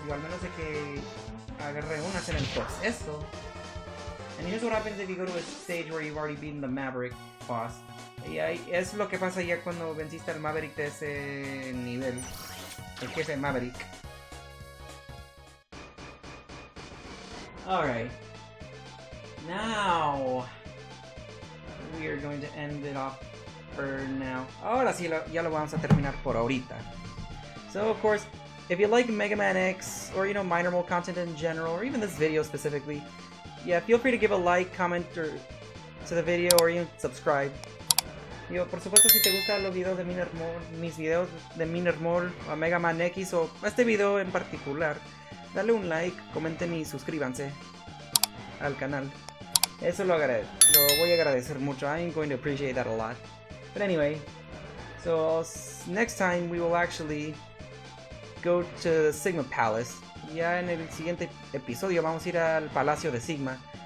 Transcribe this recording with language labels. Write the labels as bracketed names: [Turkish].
[Spanish] Digo, al menos de que agarré unas en el proceso. [English] And here's what happens if you go to a stage where you've already beaten the Maverick boss. [Spanish] Y ahí es lo que pasa ya cuando venciste al Maverick de ese nivel. El jefe Maverick. [English] Alright. Now. We are going to end it off. For now. [Spanish] Ahora sí, ya lo vamos a terminar por ahorita. [English] So, of course, if you like Mega Man X, or, you know, Minor Mole content in general, or even this video specifically, yeah, feel free to give a like, comment, or to the video, or even subscribe. [Spanish] Yo, por supuesto, si te gustan los videos de Minor Mole, mis videos de Minor Mole, o Mega Man X, o este video en particular, dale un like, comenten y suscríbanse al canal. Eso lo voy a agradecer mucho. [English] I'm going to appreciate that a lot. But anyway, so next time we will actually go to the Sigma Palace. [Spanish] Ya en el siguiente episodio vamos a ir al Palacio de Sigma.